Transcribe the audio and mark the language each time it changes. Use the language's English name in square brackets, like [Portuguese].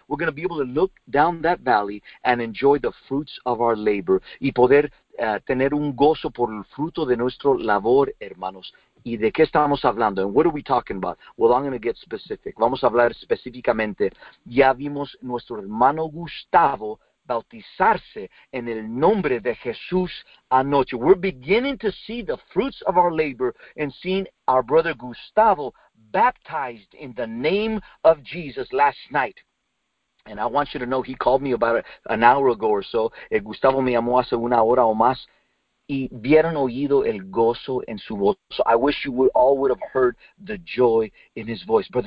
[English] We're going to be able to look down that valley and enjoy the fruits of our labor, [Spanish] y poder tener un gozo por el fruto de nuestro labor, hermanos. ¿Y de qué estamos hablando? [English] And what are we talking about? Well, I'm going to get specific. [Spanish] Vamos a hablar específicamente. Ya vimos nuestro hermano Gustavo bautizarse en el nombre de Jesús anoche. [English] We're beginning to see the fruits of our labor and seeing our brother Gustavo baptized in the name of Jesus last night. And I want you to know he called me about an hour ago or so. [Spanish] El Gustavo me llamó hace una hora o más. Y vieron oído el gozo en su voz. [English] So I wish you would all would have heard the joy in his voice.